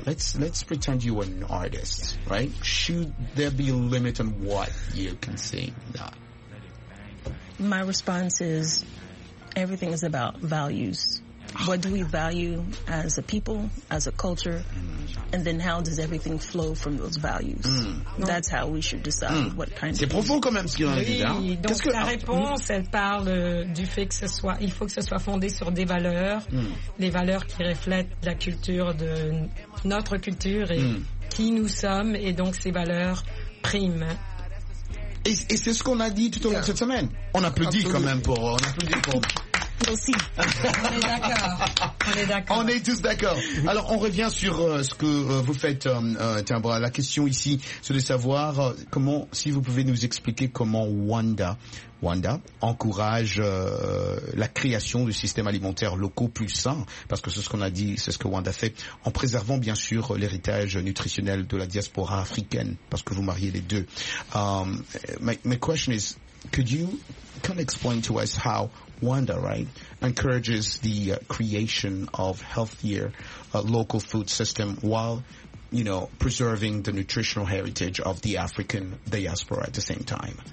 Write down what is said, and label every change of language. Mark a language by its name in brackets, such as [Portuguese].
[English] Let's pretend you are an artist, right? Should there be a limit on what you can sing? No. My response is everything is about values. What do we value as a people, as a culture, and then how does everything flow from those values? That's how we should decide what kind of... [French] C'est profond quand même ce qu'il en a dit, hein? Donc la réponse, elle parle du fait que ce soit, il faut que ce soit fondé sur des valeurs, les valeurs qui reflètent la culture de notre culture et qui nous sommes, et donc ces valeurs priment. Et c'est ce qu'on a dit tout au long de cette semaine. On applaudit quand même pour... On applaudit pour... Aussi. On est d'accord. On est tous d'accord. Alors, on revient sur ce que vous faites, Timbra. La question ici, c'est de savoir comment, si vous pouvez nous expliquer comment Wanda encourage la création de systèmes alimentaires locaux plus sains, parce que c'est ce qu'on a dit, c'est ce que Wanda fait, en préservant bien sûr l'héritage nutritionnel de la diaspora africaine, parce que vous mariez les deux. [English] My question is, could you can explain to us how Wanda, right, encourages the creation of healthier local food system while, you know, preserving the nutritional heritage of the African diaspora at the same time?